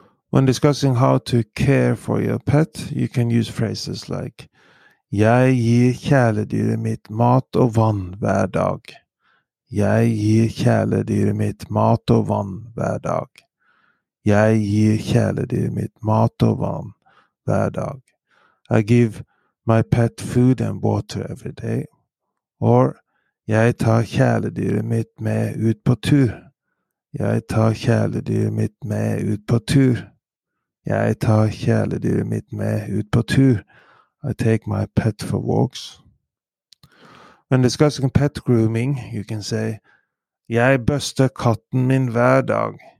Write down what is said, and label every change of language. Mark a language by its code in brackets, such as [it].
[en] When discussing how to care for your pet, you can use phrases like [no] jeg gir kjæledyret mitt mat og vann hver dag. Jeg gir kjæledyret mitt mat og vann hver dag. Jeg gir kjæledyret mitt mat og vann hver dag. [en] I give my pet food and water every day. [no] Or jeg tar kjæledyret mitt med ut på tur. Jeg tar kjæledyret mitt med ut på tur. Jeg tar kjæledyret mitt med ut på tur. [en] I take my pet for walks. When discussing pet grooming, you can say [no] jeg børster katten min hver dag.